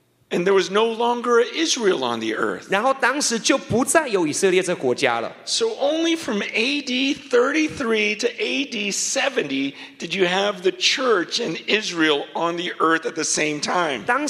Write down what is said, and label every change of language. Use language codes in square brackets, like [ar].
[en] and there was no longer Israel on the earth. [zh] 然后当时就不再有以色列这国家了。 [en] So only from AD 33 to AD 70 did you have the church and Israel on the earth at the same time.